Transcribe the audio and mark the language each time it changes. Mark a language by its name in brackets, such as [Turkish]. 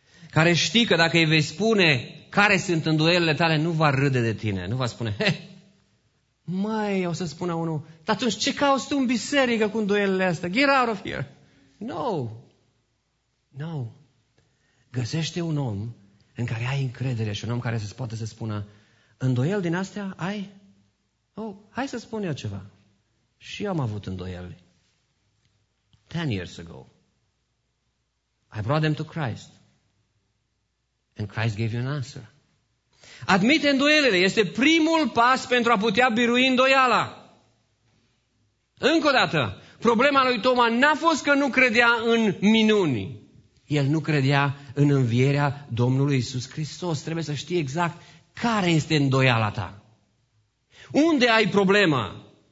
[Romanian] Care știi că dacă îi vei spune care sunt îndoielile tale, nu va râde de tine, nu va spune, măi, o să spună unul, dar atunci ce cauți tu în biserică cu îndoielile astea? [English] Get out of here! No! No! [Romanian] Găsește un om în care ai încredere și un om care să-ți poată să spună, îndoiel din astea ai? Oh, hai să spun eu ceva. Și eu am avut îndoieli. [English] 10 years ago, I brought them to Christ. And Christ gave you an answer. [Romanian] Admite îndoielile. Este primul pas pentru a putea birui îndoiala. Încă o dată, problema lui Toma n-a fost că nu credea în minuni. El nu credea în învierea Domnului Iisus Hristos. Trebuie să știi exact care este îndoiala ta. Unde ai problema?